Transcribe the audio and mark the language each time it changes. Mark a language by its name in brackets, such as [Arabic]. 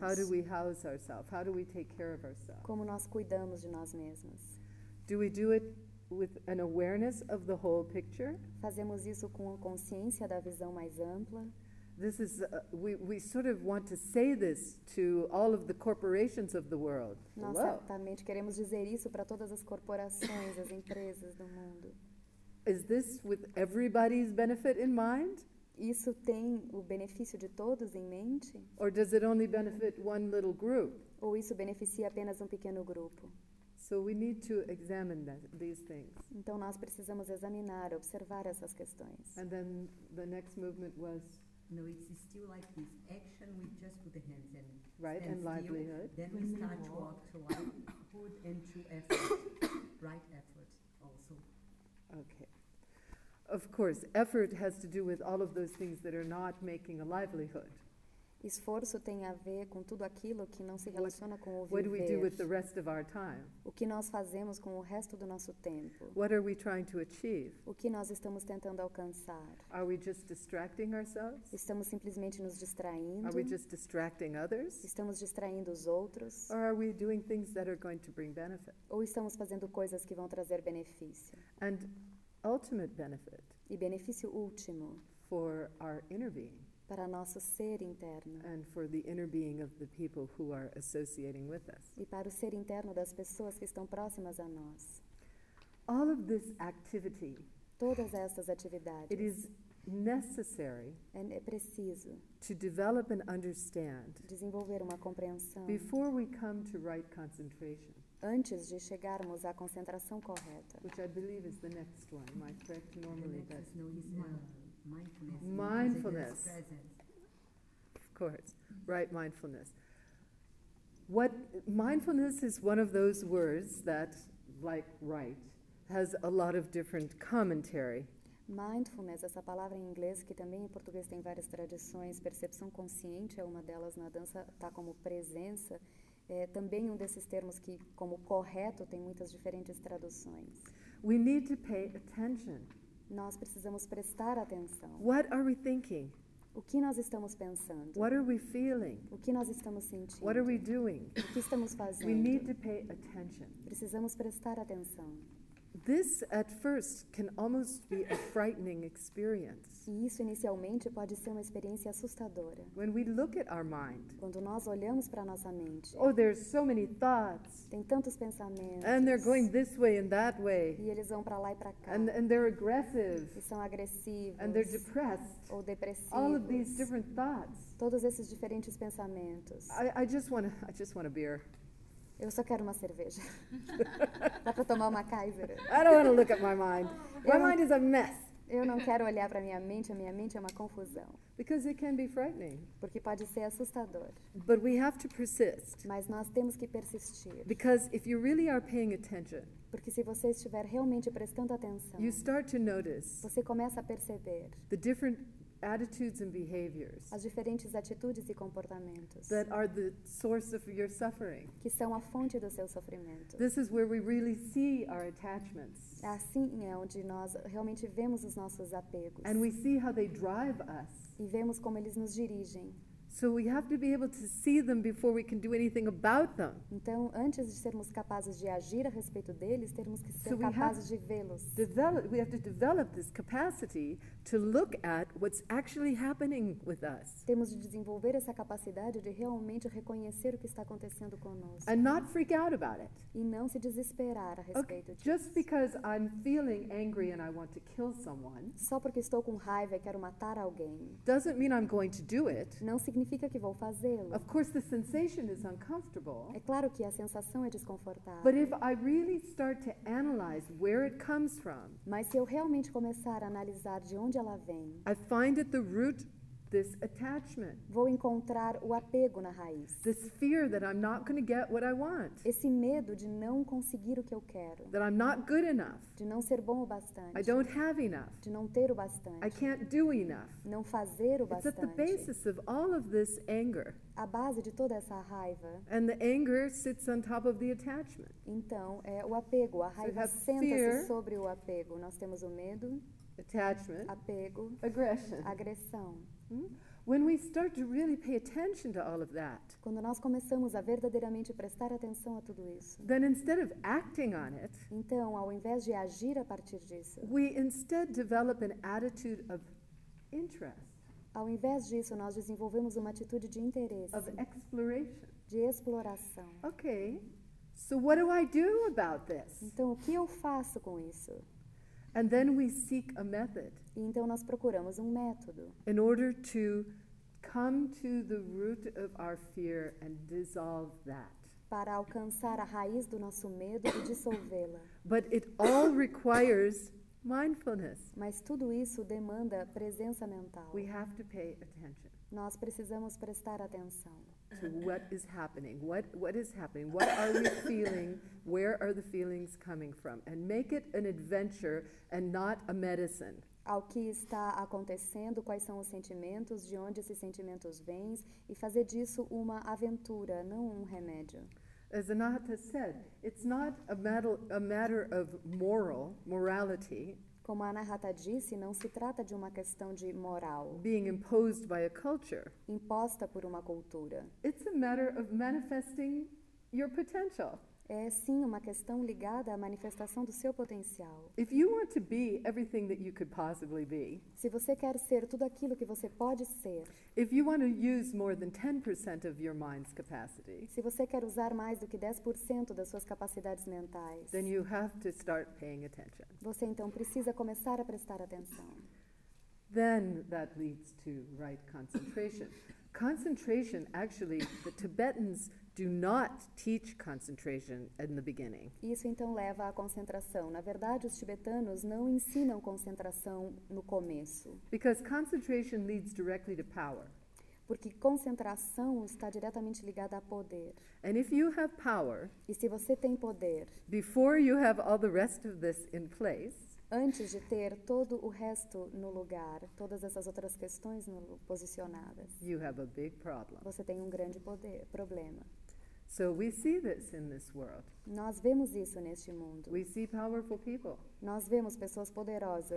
[English] How do we house ourselves? How do we take care of ourselves? [Portuguese] Como nós cuidamos de nós mesmos? [English] Do we do it with an awareness of the whole picture? [Portuguese] Fazemos isso com a consciência da visão mais ampla? [English] This is we sort of want to say this to all of the corporations of the world. [Portuguese] Nós certamente queremos dizer isso para todas as corporações, as empresas do mundo. [English] Is this with everybody's benefit in mind? [Portuguese] Isso tem o benefício de todos em mente? [English] Or does it only benefit one little group? [Portuguese] Ou isso beneficia apenas um pequeno grupo? [English] So we need to examine these things. [Portuguese] Então nós precisamos examinar, observar essas questões. [English] And then the next movement was no, it's still like this action, we just put the hands in. Right, and still, livelihood. Then we start to walk to livelihood and to effort, right effort also. Okay. Of course, effort has to do with all of those things that are not making a livelihood. [Portuguese] Esforço tem a ver com tudo aquilo que não se relaciona com o viver. [English] What do we do with the rest of our time? [Portuguese] O que nós fazemos com o resto do nosso tempo? [English] What are we trying to achieve? [Portuguese] O que nós estamos tentando alcançar? [English] Are we just distracting ourselves? [Portuguese] Estamos simplesmente nos distraindo? [English] Are we just distracting others? [Portuguese] Estamos distraindo os outros? [English] Or are we doing things that are going to bring benefit? [Portuguese] Ou estamos fazendo coisas que vão trazer benefício? [English] And ultimate benefit. [Portuguese] E benefício último. [English] For our inner being. [Portuguese] Para nosso ser interno. [English] And for the inner being of the people who are associating with us. [Portuguese] E para o ser interno das pessoas que estão próximas a nós. [English] All of this activity. [Portuguese] Todas essas atividades. [English] It is necessary. [Portuguese] And é preciso. [English] To develop and understand. [Portuguese] Desenvolver uma compreensão. [English] Before we come to right concentration. [Portuguese] Antes de chegarmos à concentração correta. [English] Which I believe is the next one. My correct normally the next but is no, he's mindfulness. Mindfulness. Of course. Right, mindfulness. What mindfulness is one of those words that, like right, has a lot of different commentary. [Portuguese] Mindfulness, essa palavra em inglês, que também em português tem várias tradições, percepção consciente é uma delas na dança, está como presença. É também um desses termos que, como correto, tem muitas diferentes traduções. [English] We need to pay attention. [Portuguese] Nós precisamos prestar atenção. [English] What are we thinking? [Portuguese] O que nós estamos pensando? [English] What are we feeling? [Portuguese] O que nós estamos sentindo? [English] What are we doing? [Portuguese] O que estamos fazendo? [English] We need to pay attention. [Portuguese] Precisamos prestar atenção. [English] This, at first, can almost be a frightening experience. [Portuguese] E isso inicialmente pode ser uma experiência assustadora. [English] When we look at our mind. [Portuguese] Quando nós olhamos para nossa mente. [English] Oh, there's so many thoughts. [Portuguese] Tem tantos pensamentos. [English] And they're going this way and that way. [Portuguese] E eles vão para lá e para cá. [English] And they're aggressive. [Portuguese] E são agressivos. [English] And they're depressed. [Portuguese] Ou depressivos. [English] All of these different thoughts. [Portuguese] Todos esses diferentes pensamentos. [English] I just want a beer. [Portuguese] Eu só quero uma cerveja. Dá para tomar uma Kaiser? [English] I don't want to look at my mind. My mind is a mess. [Portuguese] Eu não quero olhar para a minha mente é uma confusão. [English] Because it can be frightening. [Portuguese] Porque pode ser assustador. [English] But we have to persist. [Portuguese] Mas nós temos que persistir. [English] Because if you really are paying attention. [Portuguese] Porque se você estiver realmente prestando atenção. [English] You start to notice. [Portuguese] Você começa a perceber. [English] The different attitudes and behaviors. [Portuguese] As diferentes atitudes e comportamentos. [English] That are the source of your suffering. [Portuguese] Que são a fonte do seu sofrimento. [English] This is where we really see our attachments. [Portuguese] Assim é onde nós realmente vemos os nossos apegos. [English] And we see how they drive us. [Portuguese] E vemos como eles nos dirigem. [English] So we have to be able to see them before we can do anything about them. [Portuguese] Então, antes de sermos capazes de agir a respeito deles, temos que ser capazes de vê-los. [English] We have to develop this capacity to look at what's actually happening with us. [Portuguese] Temos de desenvolver essa capacidade de realmente reconhecer o que está acontecendo conosco. [English] And not freak out about it. [Portuguese] E não se desesperar a respeito disso. [English] Just because I'm feeling angry and I want to kill someone. [Portuguese] Só porque estou com raiva e quero matar alguém. [English] Doesn't mean I'm going to do it. [Portuguese] Não significa que vou fazê-lo. [English] Of course, the sensation is uncomfortable. [Portuguese] É claro que a sensação é desconfortável. [English] But if I really start to analyze where it comes from, [Portuguese] mas se eu realmente começar a analisar de onde ela vem, [English] I find at the root this attachment. [Portuguese] Vou encontrar o apego na raiz. [English] This fear that I'm not going to get what I want. [Portuguese] Esse medo de não conseguir o que eu quero. [English] That I'm not good enough. [Portuguese] De não ser bom o bastante. [English] I don't have enough. [Portuguese] De não ter o bastante. [English] I can't do enough. [Portuguese] Não fazer o bastante. [English] It's at the basis of all of this anger. [Portuguese] A base de toda essa raiva. [English] And the anger sits on top of the attachment. [Portuguese] Então, é o apego, a raiva senta-se sobre o apego. Nós temos o medo. [English] Attachment. [Portuguese] Apego. [English] Aggression. [Portuguese] Agressão. [English] When we start to really pay attention to all of that, [Portuguese] quando nós começamos a verdadeiramente prestar atenção a tudo isso, [English] then instead of acting on it, [Portuguese] então ao invés de agir a partir disso, [English] we instead develop an attitude of interest. [Portuguese] Ao invés disso, nós desenvolvemos uma atitude de interesse. [English] Of exploration. [Portuguese] De exploração. [English] Okay, so what do I do about this? [Portuguese] Então o que eu faço com isso? [English] And then we seek a method. [Portuguese] E então nós procuramos um método. [English] In order to come to the root of our fear and dissolve that. [Portuguese] Para alcançar a raiz do nosso medo e dissolvê-la. [English] But it all requires mindfulness. [Portuguese] Mas tudo isso demanda presença mental. [English] We have to pay attention. [Portuguese] Nós precisamos prestar atenção. [English] To what is happening? What is happening? What are we feeling? Where are the feelings coming from? And make it an adventure and not a medicine. [Portuguese] Ao que está acontecendo? Quais são os sentimentos? De onde esses sentimentos vêm? E fazer disso uma aventura, não um remédio. [English] As Anahata said, it's not a matter of morality. [Portuguese] Como a Anahata disse, não se trata de uma questão de moral. [English] Being imposed by a culture. [Portuguese] Imposta por uma cultura. [English] It's a matter of manifesting your potential. [Portuguese] É sim uma questão ligada à manifestação do seu potencial. [English] If you want to be everything that you could possibly be. [Portuguese] Se você quer ser tudo aquilo que você pode ser. [English] If you want to use more than 10% of your mind's capacity. [Portuguese] Se você quer usar mais do que 10% das suas capacidades mentais. [English] Then you have to start paying attention. [Portuguese] Você então precisa começar a prestar atenção. [English] Then that leads to right concentration. Concentration, actually, the Tibetans do not teach concentration in the beginning. [Portuguese] Isso então leva à concentração. Na verdade, os tibetanos não ensinam concentração no começo. [English] Because concentration leads directly to power. [Portuguese] Porque concentração está diretamente ligada a poder. [English] And if you have power, [Portuguese] e se você tem poder, [English] before you have all the rest of this in place, [Portuguese] antes de ter todo o resto no lugar, todas essas outras questões posicionadas, [English] you have a big problem. [Portuguese] Você tem um grande poder, problema. [English] So we see this in this world. [Portuguese] Nós vemos isso neste mundo. [English] We see powerful people. [Portuguese] Nós vemos pessoas poderosas.